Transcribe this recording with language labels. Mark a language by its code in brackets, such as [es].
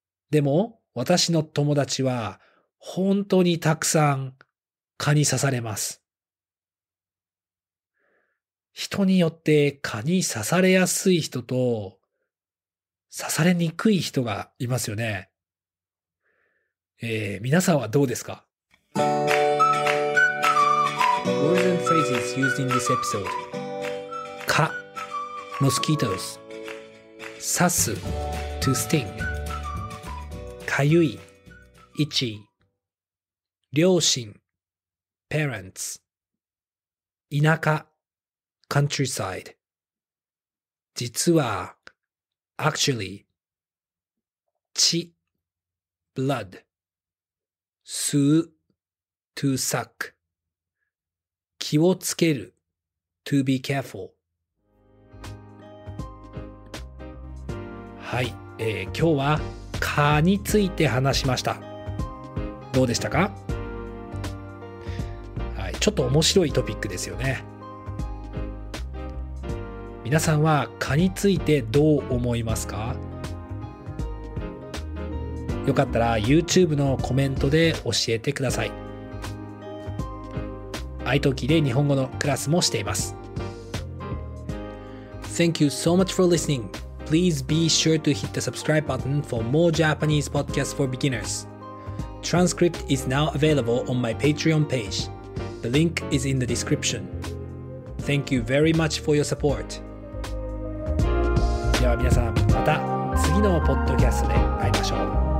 [ja] でも、私の友達は本当にたくさん蚊に刺されます。人によって蚊に刺されやすい人と刺されにくい人がいますよね。皆さんはどうですか？ [en] Words and phrases used in this episode. 蚊 mosquitoes. 刺す to sting. かゆい itchy. 両親 parents. 田舎 countryside. 実は actually. 血 blood. 吸う to suck 気をつける to be careful。 [ja] はい、今日は蚊について話しました。どうでしたか？はい、ちょっと面白いトピックですよね。皆さんは蚊についてどう思いますか？よかったら YouTube のコメントで教えてください。 iTalkiで日本語のクラスもしています。 [en] Thank you so much for listening. Please be sure to hit the subscribe button for more Japanese podcasts for beginners. Transcript is now available on my Patreon page. The link is in the description. Thank you very much for your support. [ja] では皆さん、また次のポッドキャストで会いましょう。